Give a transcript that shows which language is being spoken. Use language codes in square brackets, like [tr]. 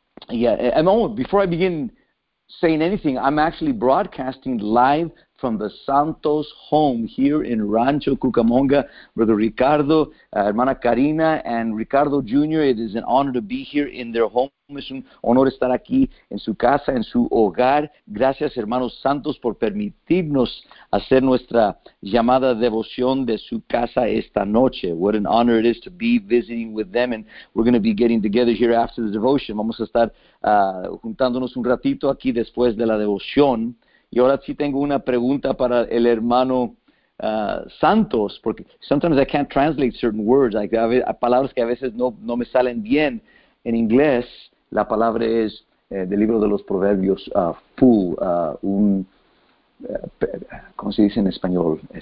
[en] Yeah, and oh, before I begin saying anything, I'm actually broadcasting live from the Santos home here in Rancho Cucamonga. Brother Ricardo, Hermana Karina, and Ricardo Jr., it is an honor to be here in their home. [es] Es un honor estar aquí en su casa, en su hogar. Gracias, hermanos Santos, por permitirnos hacer nuestra llamada devoción de su casa esta noche. [en] What an honor it is to be visiting with them, and we're going to be getting together here after the devotion. [es] Vamos a estar juntándonos un ratito aquí después de la devoción. Y ahora sí tengo una pregunta para el hermano Santos, porque [en] sometimes I can't translate certain words, like [es] palabras que a veces no me salen bien. En inglés, la palabra es del libro de los Proverbios, fool, ¿cómo se dice en español?